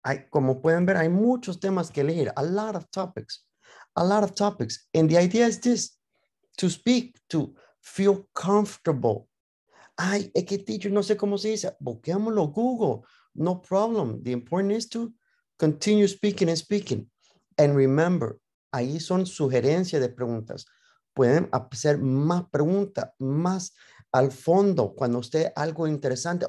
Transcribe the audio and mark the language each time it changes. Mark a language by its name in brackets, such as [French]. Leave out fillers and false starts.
[Spanish] Como pueden ver, hay muchos temas que elegir, [English] a lot of topics. And the idea is this, to speak, to feel comfortable. [Spanish] Ay, es que teacher, no sé cómo se dice. Busquémoslo Google. [English] No problem. The important is to continue speaking and speaking. And remember, [Spanish] ahí son sugerencias de preguntas. Pueden hacer más preguntas, más al fondo, cuando usted algo interesante.